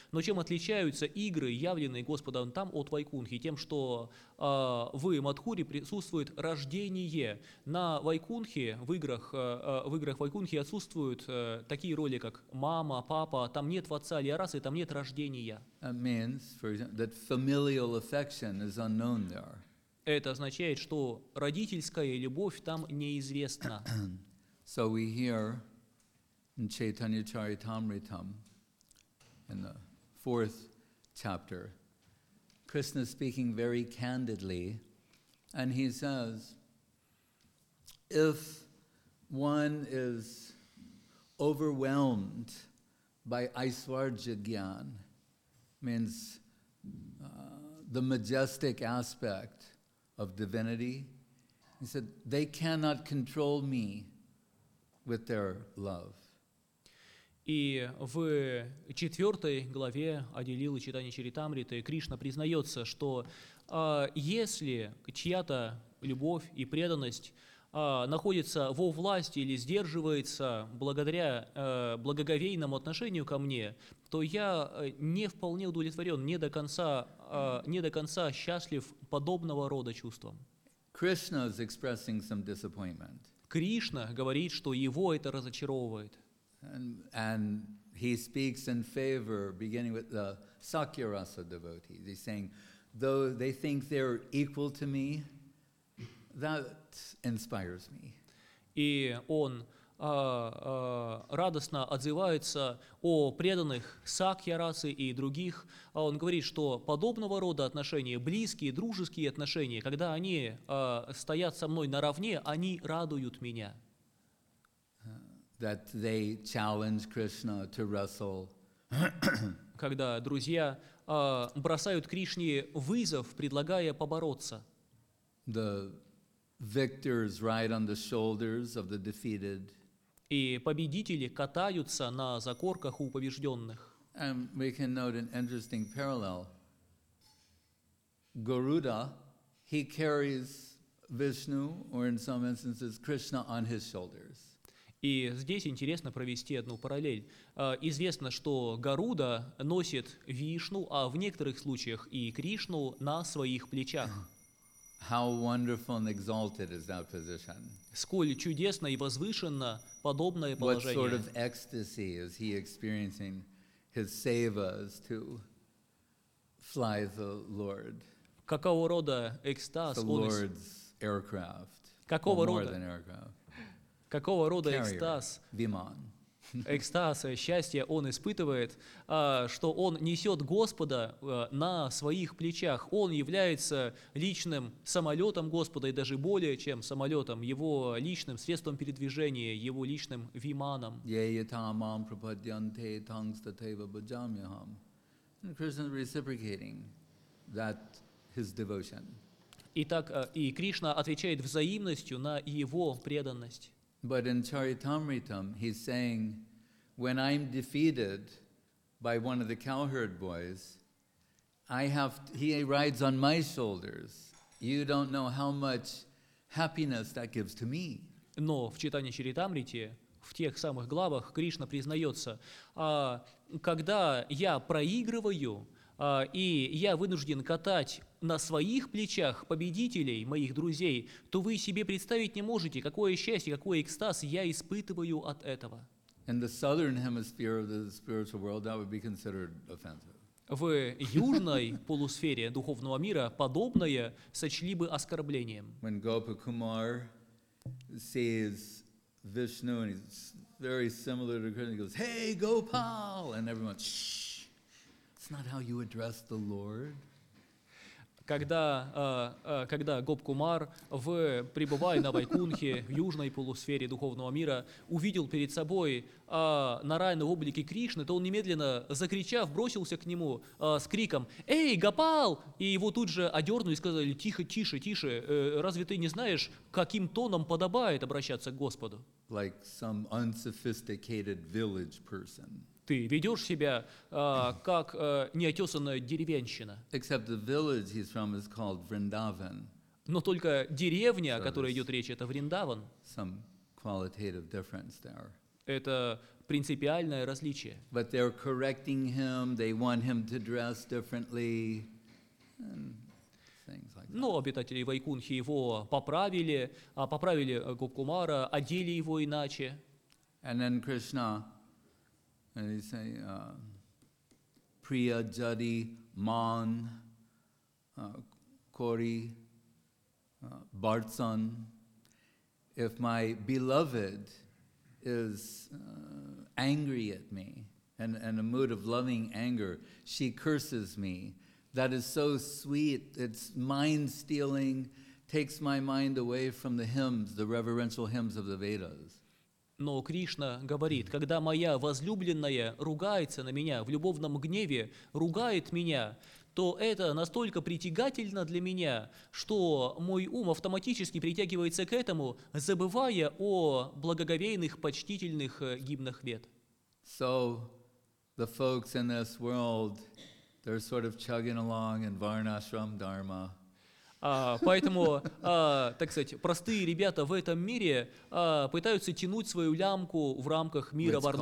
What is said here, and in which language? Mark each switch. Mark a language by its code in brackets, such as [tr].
[ru] Но чем отличаются игры, явленные Господом там от Вайкунтхи? Тем, что в Мадхуре присутствует рождение. На Вайкунтхе, в играх Вайкунтхи отсутствуют такие роли, как мама, папа, там нет отца или расы, там нет рождения. [en] That means, for example, that familial affection is unknown there. [ru] Это означает, что родительская любовь там неизвестна. [en] So we hear in Chaitanya Charitamritam, in the fourth chapter, Krishna speaking very candidly, and he says, if one is overwhelmed by Aishwarya Gyan, means the majestic aspect of divinity, he said, they cannot control me with their love. [ru] И в четвертой главе Адилилы Чайтанья Чаритамриты Кришна признается, что если чья-то любовь и преданность находится во власти или сдерживается благодаря благоговейному отношению ко мне, то я не вполне удовлетворен, не до конца счастлив подобного рода чувством. [en] Krishna is expressing some disappointment. [ru] Кришна говорит, что его это разочаровывает. [en] And he speaks in favor, beginning with the Sakya-rasa devotees. He's saying, though they think they're equal to me, that inspires me. [ru] И он радостно отзывается о преданных Сакья-расы и других. Он говорит, что подобного рода отношения, близкие, дружеские отношения, когда они стоят со мной наравне, они радуют меня. [en] that they challenge Krishna to wrestle. [ru] Когда друзья бросают Кришне вызов, предлагая побороться. [en] The victors ride on the shoulders of the defeated. [ru] И победители катаются на закорках у побежденных. [en] And we can note an interesting parallel. Garuda, he carries Vishnu, or in some instances, Krishna on his shoulders. [ru] И здесь интересно провести одну параллель. Известно, что Гаруда носит Вишну, а в некоторых случаях и Кришну на своих плечах. [en] How wonderful and exalted is that position? [ru] Сколь чудесно и возвышенно подобное положение. [en] What sort of ecstasy is he experiencing, his sevas to fly the Lord? [ru] Какого рода экстаз? [en] The Lord's aircraft. [ru] Какого рода? [en] More than aircraft. [ru] Какого рода экстаз, Виман. Экстаз, счастье он испытывает, что он несет Господа на своих плечах. Он является личным самолетом Господа, и даже более чем самолетом, его личным средством передвижения, его личным Виманом. [sa] Yeyatamam prapadyante tangstateva bhajamyaham. [en] And Krishna is reciprocating that his devotion. [ru] Итак, и Кришна отвечает взаимностью на его преданность. [en] But in Charitamritam, he's saying, when I'm defeated by one of the cowherd boys, he rides on my shoulders. You don't know how much happiness that gives to me. [ru] Но в читании Чаритамрити, в тех самых главах, Кришна признается, когда я проигрываю, и я вынужден катать на своих плечах победителей, моих друзей, то вы себе представить не можете, какое счастье, какой экстаз я испытываю от этого. [en] In the southern hemisphere of the spiritual world, that would be considered offensive. [ru] В южной полусфере духовного мира подобное сочли бы оскорблением. [en] When Gopakumar sees Vishnu and he's very similar to Krishna, he goes, "Hey, Gopal!" And everyone, "Shh! It's not how you address the Lord." [ru] Когда Гопкумар, пребывая на Вайкунхе, в южной полусфере духовного мира, увидел перед собой Нараяну в облике Кришны, то он немедленно, закричав, бросился к нему с криком «Эй, Гопал!» И его тут же одернули и сказали «Тихо, тише, тише, разве ты не знаешь, каким тоном подобает обращаться к Господу?» [en] Like some unsophisticated village person. [ru] Ты ведешь себя как неотесанная деревенщина. [en] Except the village he's from is called Vrindavan. [ru] Но только деревня, о которой идет речь, это Вриндаван. [en] Some qualitative difference there. [ru] Это принципиальное различие. [en] But they're correcting him, they want him to dress differently. [ru] Но обитатели Вайкунхи его поправили, поправили Гопкумара, одели его иначе. [en] And then Krishna. And he's saying, [bn] Priya Jadi Man Kori Bartsan, [en] if my beloved is angry at me and in a mood of loving anger, she curses me. That is so sweet, it's mind stealing, takes my mind away from the hymns, the reverential hymns of the Vedas. [ru] Но Кришна говорит, когда моя возлюбленная ругается на меня в любовном гневе, ругает меня, то это настолько притягательно для меня, что мой ум автоматически притягивается к этому, забывая о благоговейных, почтительных гимнах Вед. [en] So, the folks in this world, they're sort of chugging along in Varnashram Dharma. [ru] Поэтому, так сказать, простые ребята в этом мире пытаются тянуть свою лямку в рамках мира